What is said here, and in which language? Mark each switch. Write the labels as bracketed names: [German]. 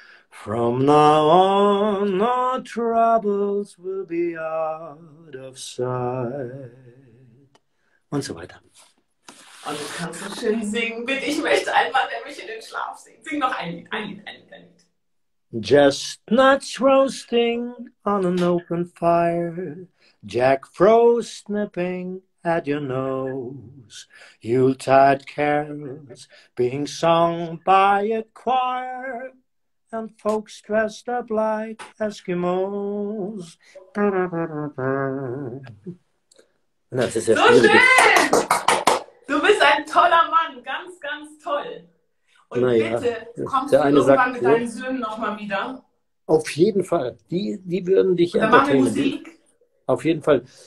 [English] From now on, our troubles will be out of sight. [German] Und so weiter. Und du kannst so schön singen, bitte. Ich möchte einmal, der mich in den Schlaf singt. Sing noch ein Lied, ein Lied, ein Lied, ein Lied. [English] Chestnuts roasting on an open fire, Jack Frost snipping at your nose, Yuletide carols being sung by a choir, and folks dressed up like Eskimos. [German] So schön! Du bist ein toller Mann, ganz, ganz toll. Und naja, bitte, kommst du irgendwann sagt, mit deinen Söhnen nochmal wieder? Auf jeden Fall. Die würden dich dann entertainen. Dann machen wir Musik. Auf jeden Fall.